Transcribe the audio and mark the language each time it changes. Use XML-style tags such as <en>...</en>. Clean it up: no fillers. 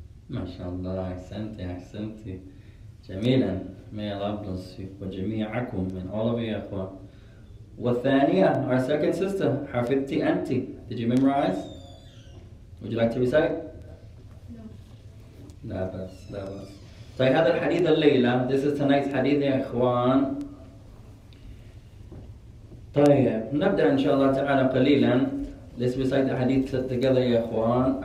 <ar>ما شاء الله أحسنتي أحسنتي جميلا.</ar> <en>May Allah bless you</en> <ar>وجميعكم من</ar> <en>all of you</en> <ar>أخوة.</ar> <en>والثانية our second sister</en> <ar>حفظتي أنتي.</ar> <en>Did you memorize? Would you like to recite? No.</en> <ar>لا بس. طيب هذا الحديث الليلة.</ar> <en>This is tonight's حديث يا إخوان.</en> <ar>طيب نبدأ إن شاء الله تعالى قليلا.</ar> <en>Let's recite the hadith together يا إخوان.</en>